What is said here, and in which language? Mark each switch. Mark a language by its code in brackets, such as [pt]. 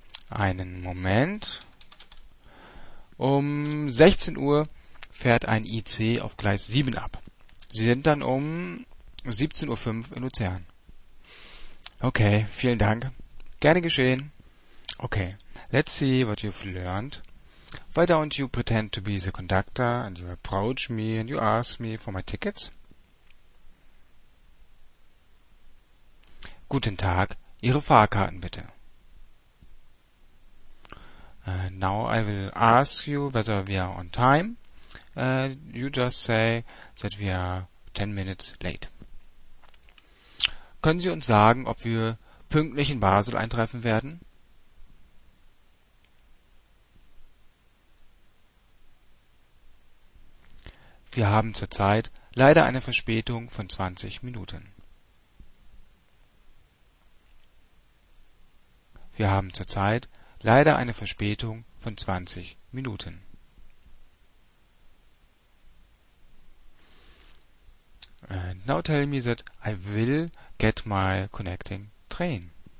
[de] Einen Moment. Um 16 Uhr fährt ein IC auf Gleis 7 ab. Sie sind dann um 17.05 Uhr in Luzern. Okay, vielen Dank. Gerne geschehen. Okay, [en] Let's see what you've learned. Why don't you pretend to be the conductor and you approach me and you ask me for my tickets? [de] Guten Tag, Ihre Fahrkarten bitte. [en] Now I will ask you whether we are on time. You just say that we are 10 minutes late. [de] Können Sie uns sagen, ob wir pünktlich in Basel eintreffen werden? Wir haben zurzeit leider eine Verspätung von 20 Minuten. Wir haben zurzeit leider eine Verspätung von 20 Minuten. [en] And now tell me that I will get my connecting train.